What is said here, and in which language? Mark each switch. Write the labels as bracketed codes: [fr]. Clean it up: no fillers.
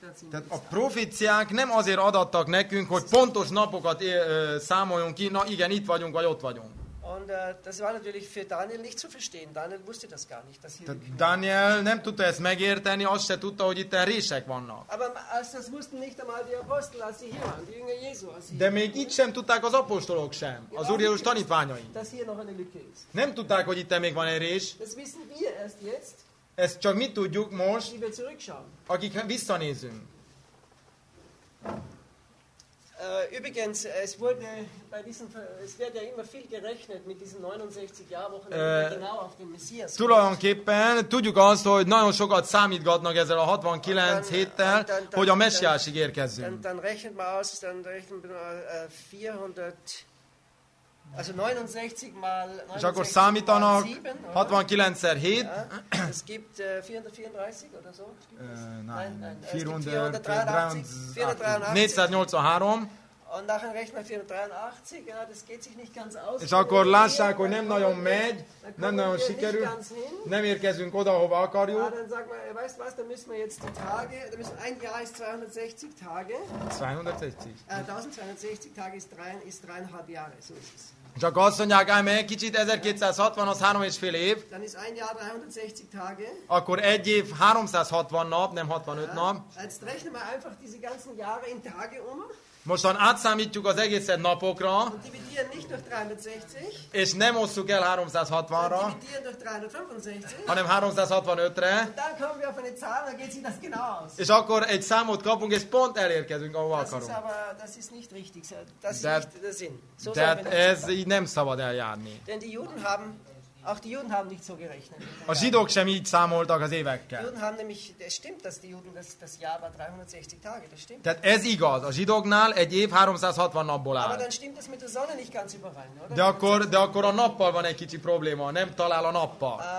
[hu] Tehát a proféciák nem azért adattak nekünk, hogy pontos napokat számoljunk ki, na igen, itt vagyunk, vagy ott vagyunk. [de] Und das war natürlich für Daniel nicht zu verstehen. Daniel wusste das gar nicht, dass hier. [hu] Daniel nem tudta ezt megérteni, azt se tudta, hogy itt rések vannak. [de] Aber das wussten nicht einmal die Apostel, als sie hier waren, die Jünger Jesu. [hu] De még itt sem tudták az apostolok sem, az Úr Jézus tanítványai. [de] Das hier noch eine Lücke ist. [hu] Nem tudták, hogy itt még van egy rés. [de] Das wissen wir erst jetzt. [hu] Ezt csak mi tudjuk most, [de] die wir zurückschauen. [hu] Akik visszanézünk. [de] Übrigens, es wurde bei diesem, es wird ja immer viel gerechnet mit diesen 69 Jahrwochen, genau auf den Messias. [hu] Tulajdonképpen tudjuk azt, hogy nagyon sokat számítgatnak ezzel a 69 héttel, hogy a Messiásig érkezzünk. [de] Dann rechnet man aus, dann rechnet man 400, also 69 mal 69. [hu] És akkor számítanak 69-szer 7. [de] Es gibt 434 oder so. Nein, 483. 483. 483. Und nachher rechnet man 483. Ja, das geht sich nicht ganz aus. [hu] És akkor lássák, hogy nem nagyon megy, nem nagyon sikerül, nem érkezünk oda, hova akarjuk. [de] Dann sag mal, weißt du was, da müssen wir jetzt die Tage, da müssen ein Jahr ist 260 Tage. 260. 1260 Tage ist 3,5 Jahre, so ist es. [hu] És akkor azt mondják, állj meg, kicsit 1260, az 3,5 év. [de] Dann ist ein Jahr 360 Tage. [hu] Akkor egy év 360 nap, nem 65 nap. [de] Jetzt rechnen wir einfach diese ganzen Jahre in Tage um. [hu] Mostan átszámítjuk az egészet napokra. [de] Und dividieren nicht durch 360. [hu] És nem osszuk el 360-ra. [de] Dividieren durch 365. [hu] Hanem 365-re. [de] Und dann kommen wir auf eine Zahl, dann geht sich das genau aus. [hu] És akkor egy számot kapunk, és pont elérkezünk, ahova akarunk. [de] Das ist nicht richtig. Das ist nicht der Sinn. [hu] Tehát ez így nem szabad eljárni. [de] Denn die Juden haben, auch die Juden haben nicht so gerechnet. [hu] A zsidók sem így számoltak az évekkel. [de] Die Juden haben nämlich, es stimmt, dass die Juden das Jahr war 360 Tage, das stimmt. [hu] Tehát ez igaz, a zsidóknál egy év 360 napból áll. [de] Aber dann stimmt das mit der Sonne nicht ganz überein, oder? [hu] De akkor a nappal van egy kicsi probléma, nem talál a nappal.